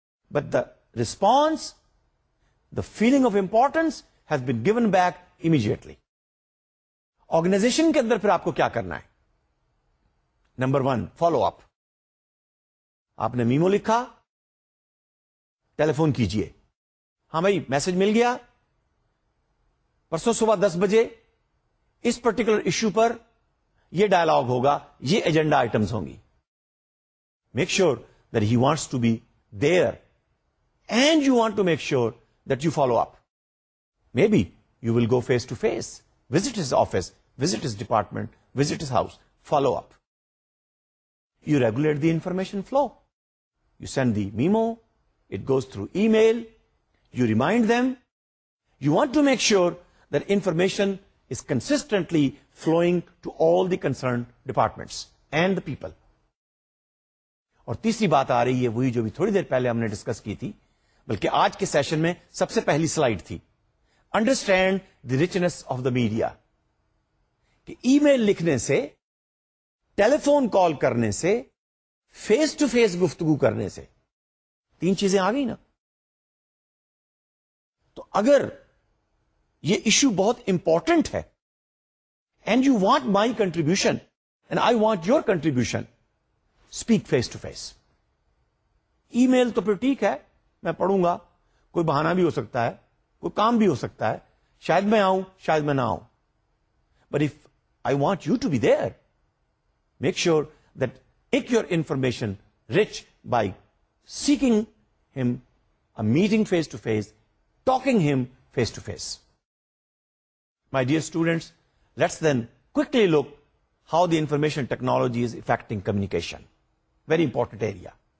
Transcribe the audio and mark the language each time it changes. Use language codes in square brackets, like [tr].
[en] But the response, the feeling of importance has been given back immediately. [ur] Organization کے اندر پھر آپ کو کیا کرنا ہے؟ Number one, follow up. آپ نے میمو لکھا, ٹیلی فون کیجئے. ہاں بھائی, میسج مل گیا پرسوں صبح 10 بجے اس پرٹیکولر ایشو پر یہ ڈائلاگ ہوگا, یہ ایجنڈا آئٹمس ہوں گی. [en] Make sure that he wants to be there and you want to make sure that you follow up. May be you will go face to face, visit his office, visit his department, visit his house, follow up. You regulate the information flow, you send the memo, it goes through E mile, you remind them. You want to make sure that information is consistently flowing to all the concerned departments and the people. [ur] اور تیسری بات آ رہی ہے وہی جو بھی تھوڑی دیر پہلے ہم نے ڈسکس کی تھی, بلکہ آج کے سیشن میں سب سے پہلی سلائیڈ تھی, [en] Understand the richness of the media. [ur] کہ ای میل لکھنے سے, ٹیلی فون کال کرنے سے, فیس ٹو فیس گفتگو کرنے سے, تین چیزیں آ گئی نا. تو اگر یہ ایشو بہت امپورٹنٹ ہے [en] And you want my contribution and I want your contribution, speak face to face. [ur] ای میل تو پھر ٹھیک ہے, میں پڑھوں گا, کوئی بہانہ بھی ہو سکتا ہے, کوئی کام بھی ہو سکتا ہے, شاید میں آؤں شاید میں نہ آؤں. [en] But if I want you to be there. Make sure that make your information rich by seeking him, a meeting face to face, talking him face to face. My dear students, let's then quickly look how the information technology is affecting communication. Very important area.